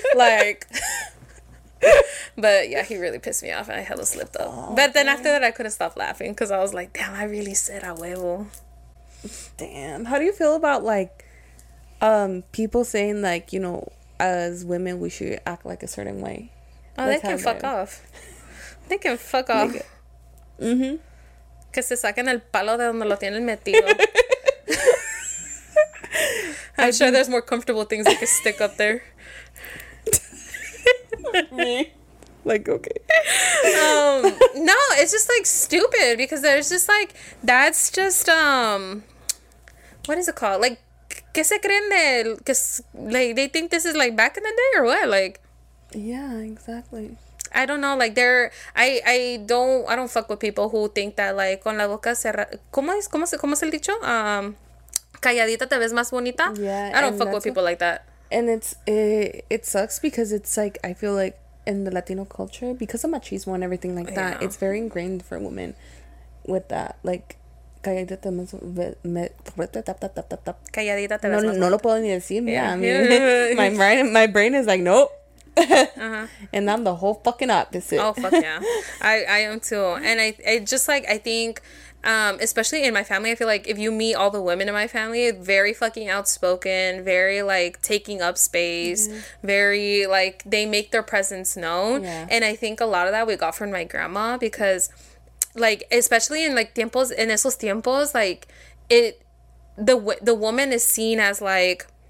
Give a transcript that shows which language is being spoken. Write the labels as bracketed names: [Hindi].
[English] Like, but yeah, he really pissed me off, and I hella slipped up. Oh, but then after that, I couldn't stop laughing, because I was like, damn, I really said [Spanish] a huevo. [English] Damn. How do you feel about, like, people saying, like, you know, as women, we should act like a certain way? Oh, they can fuck off. They can fuck off. Mm-hmm. [Spanish] Que se saquen el palo de donde lo tienen metido. [English] I'm sure there's more comfortable things that could stick up there. Me? Like, okay. No, it's just, like, stupid because there's just, like, that's just, what is it called? Like, [Spanish] ¿qué se creen de? [English] Like, they think this is, like, back in the day or what? Like. Yeah, exactly. I don't know, like, I don't fuck with people who think that, like, [Spanish] con la boca cerrada, ¿cómo es? ¿Cómo es el dicho? Calladita te ves más bonita. [English] Yeah, I don't fuck with people like that. And it sucks because it's, like, I feel like in the Latino culture, because of machismo and everything like that, yeah, it's very ingrained for women with that, like, [Spanish] calladita te ves más bonita. No lo puedo ni decir, [English] yeah, I mean, my brain is like, nope. Uh-huh. And I'm the whole fucking opposite. Oh fuck yeah, I am too. And I just like, I think, especially in my family, I feel like if you meet all the women in my family, very fucking outspoken, very like taking up space, mm-hmm, very like they make their presence known. Yeah. And I think a lot of that we got from my grandma because, like, especially in like [Spanish] tiempos, [English] in [Spanish] esos tiempos, [English] like it, the woman is seen as like.